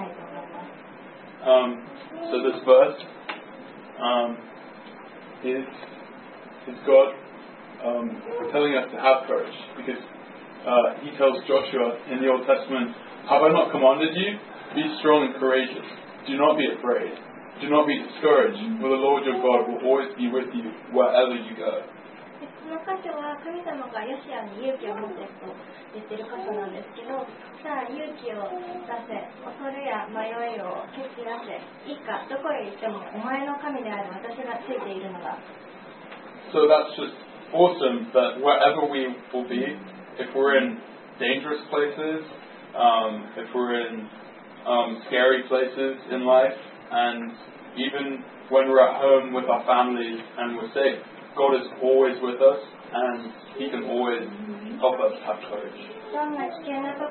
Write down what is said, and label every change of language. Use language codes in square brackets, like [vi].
[en] So this verse is God telling us to have courage, because he tells Joshua in the Old Testament, "Have I not commanded you? Be strong and courageous. Do not be afraid. Do not be discouraged, for the Lord your God will always be with you wherever you go." [ja] この箇所は神様がヨシアに勇気を持てと言ってる箇所なんですけど、さあ勇気を出せ、恐れや迷いを消し出せ、いいか、どこへ行ってもお前の神である私がついているのだ。 [en] So that's just awesome that wherever we will be, if we're in dangerous places, if we're in scary places in life, and even when we're at home with our families and we're safe, God is always with us and He can always help us have courage.